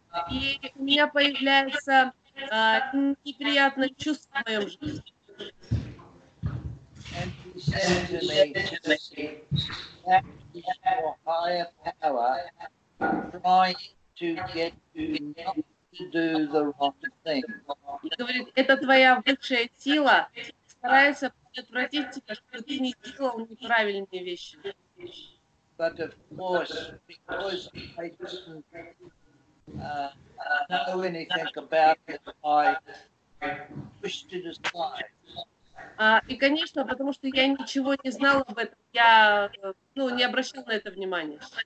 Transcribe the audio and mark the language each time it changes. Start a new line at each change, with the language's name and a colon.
Russian: И у меня появляется неприятное чувство в моем жизни.
English: And he said to me, that is your higher power trying to get you not to do the wrong thing.
Russian: Говорит, это твоя высшая сила старается предотвратить тебя, чтобы ты не делал неправильные вещи.
English: But of course, because I didn't know anything about it, I pushed it aside.
Russian: И, конечно, потому что я ничего не знал об этом, я, ну, не обращал на это внимания.